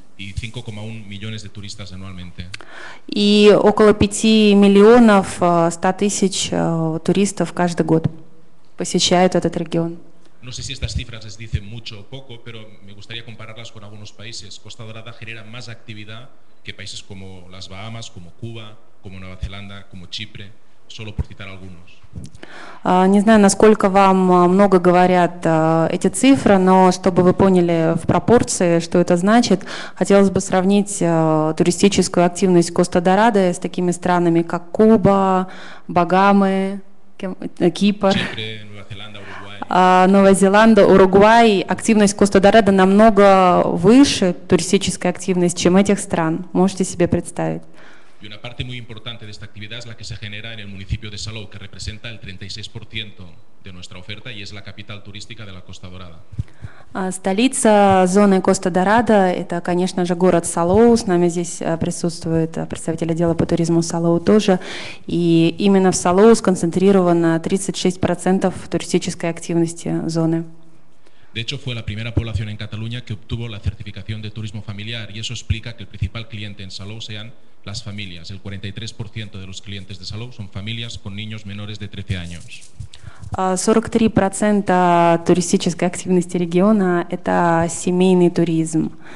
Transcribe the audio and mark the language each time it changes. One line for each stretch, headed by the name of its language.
Spanish: Y 5,1 millones de turistas anualmente.
Russian: И около 5 миллионов 100 тысяч туристов каждый год посещают этот регион.
Spanish: No sé si estas cifras les dicen mucho o poco, pero me gustaría compararlas con algunos países. Costa Dorada genera más actividad que países como las Bahamas, como Cuba, como Nueva Zelanda, como Chipre. Solo por citar algunos.
Russian: Не знаю, насколько вам много говорят эти цифры, но чтобы вы поняли в пропорции, что это значит, хотелось бы сравнить туристическую активность Коста-Дорадо с такими странами, как Куба, Багамы, Кипр, Чипре, Нова Зеланда, Уругвай. Активность Коста-Дорадо намного выше туристической активности, чем этих стран. Можете себе представить?
Spanish: Y una parte muy importante de esta actividad es la que se genera en el municipio de Salou, que representa el 36% de nuestra oferta y es la capital turística de la Costa Dorada.
Russian: Столица зоны Коста Дорадо – это, конечно же, город Салоу. С нами здесь присутствует представитель отдела по туризму Салоу тоже. И именно в Салоу сконцентрировано 36% туристической активности зоны.
Spanish: De hecho, fue la primera población en Cataluña que obtuvo la certificación de turismo familiar y eso explica que el principal cliente en Salou sean las familias. El 43% de los clientes de Salou son familias con niños menores de 13 años.
Russian: 43% туристической активности региона – это семейный туризм.